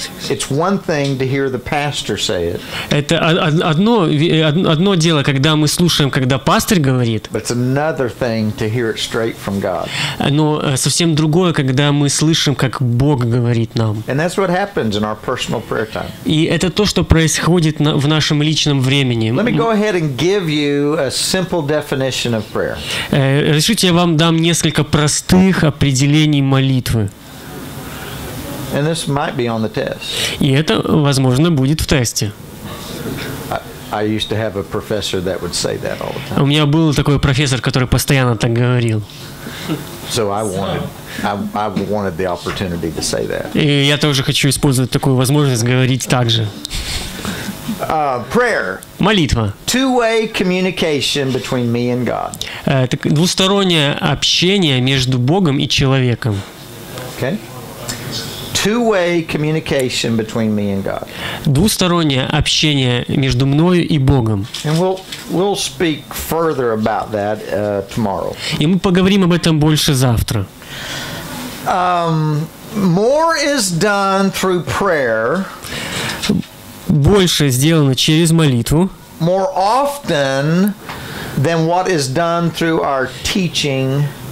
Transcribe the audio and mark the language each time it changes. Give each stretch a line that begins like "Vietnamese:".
English: It's one thing to hear the pastor say it.
Russian: Это одно дело, когда мы слушаем, когда пастор говорит.
English: But it's another thing to hear it straight from God.
Russian: Но совсем другое, когда мы слышим, как Бог говорит нам.
English: And that's what happens in our personal prayer time.
Russian: И это то, что происходит в нашем личном времени.
English: Let me go ahead and give you a simple definition of prayer.
Russian: Разрешите, я вам дам несколько простых определений молитвы.
English: And this might be on the test.
Russian: И это, возможно, будет в тесте.
English: I used to have a professor that would say that all the time.
Russian: У меня был такой профессор, который постоянно так говорил.
English: So I wanted the opportunity to say that.
Russian: И я тоже хочу использовать такую возможность говорить так же.
English: Prayer.
Russian: Молитва.
English: Two-way communication between me and God.
Russian: Это двустороннее общение между Богом и человеком.
English: Okay. Two-way communication between me and God.
Russian: Двустороннее общение между мною и Богом.
English: And we'll speak further about that tomorrow.
Russian: И мы поговорим об этом больше завтра.
English: More is done through prayer.
Russian: Больше сделано через молитву.
English: More often than what is done through our teaching.